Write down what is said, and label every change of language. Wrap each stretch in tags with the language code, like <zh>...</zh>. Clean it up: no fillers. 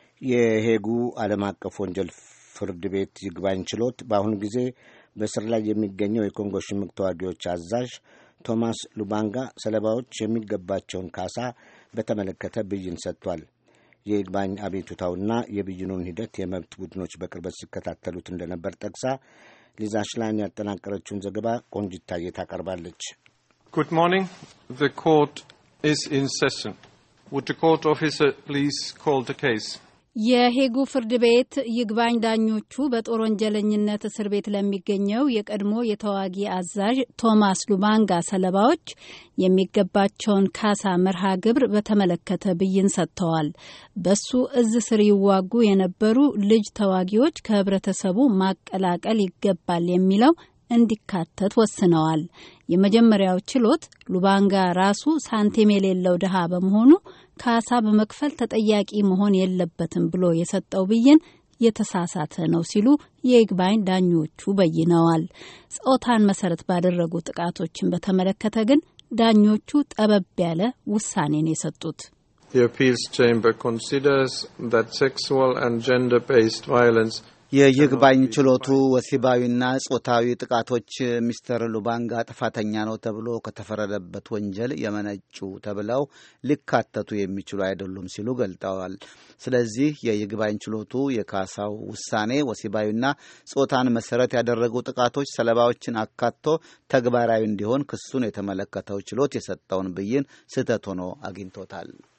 <am>የሄጉ ዓለም አቀፍ ወንጀል ፍርድ ቤት ይግባኝ ችሎት በአሁኑ ጊዜ በእስር ላይ የሚገኘው የኮንጎ ሽምቅ ተዋጊዎች አዛዥ ቶማስ ሉባንጋ ሰለባዎች የሚገባቸውን ካሳ በተመለከተ ብይን ሰጥቷል። የይግባኝ አቤቱታውና የብይኑን ሂደት የመብት ቡድኖች በቅርበት ሲከታተሉት እንደነበር ጠቅሳ ሊዛ ሽላይን ያጠናቀረችውን ዘገባ ቆንጅታየ ታቀርባለች።</am> <en>Good morning. The court is in session. Would the court officer please call the case?</en> <am>የሄጉ ፍርድ ቤት ይግባኝ ዳኞቹ በጦር ወንጀለኝነት እስር ቤት ለሚገኘው የቀድሞ የተዋጊ አዛዥ ቶማስ ሉባንጋ ሰለባዎች የሚገባቸውን ካሳ መርሃ ግብር በተመለከተ ብይን ሰጥተዋል። በሱ እዝ ስር ይዋጉ የነበሩ ልጅ ተዋጊዎች ከህብረተሰቡ ማቀላቀል ይገባል የሚለው እንዲካተት ወስነዋል። የመጀመሪያው ችሎት ሉባንጋ ራሱ ሳንቲም የሌለው ድሃ በመሆኑ ካሳ በመክፈል ተጠያቂ መሆን የለበትም ብሎ የሰጠው ብይን የተሳሳተ ነው ሲሉ የይግባኝ ዳኞቹ በይነዋል። ጾታን መሰረት ባደረጉ ጥቃቶችን በተመለከተ ግን ዳኞቹ ጠበብ ያለ ውሳኔን የሰጡት</am> <en>The appeals chamber considers that sexual and gender-based violence</en> <am>የይግባኝ ችሎቱ ወሲባዊና ጾታዊ ጥቃቶች ሚስተር ሉባንጋ ጥፋተኛ ነው ተብሎ ከተፈረደበት ወንጀል የመነጩ ተብለው ሊካተቱ የሚችሉ አይደሉም ሲሉ ገልጠዋል። ስለዚህ የይግባኝ ችሎቱ የካሳው ውሳኔ ወሲባዊና ጾታን መሰረት ያደረጉ ጥቃቶች ሰለባዎችን አካቶ ተግባራዊ እንዲሆን ክሱን የተመለከተው ችሎት የሰጠውን ብይን ስህተት ሆኖ አግኝቶታል።</am>